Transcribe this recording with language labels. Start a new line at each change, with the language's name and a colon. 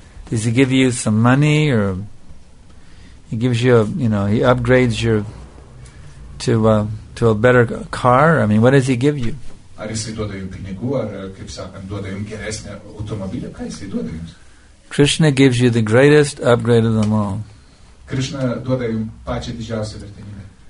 English: Does he give you some money or he gives you he upgrades you to a better car? I mean, what does he give you?
Lithuanian: Ar jisai duoda jums pinigų, ar, kaip sakant, duoda jums geresnę automobilį, ką jisai duoda jums?
English: Krishna gives you the greatest upgrade of them all.
Lithuanian: Krishna duoda jums pačią didžiausią vertenybę.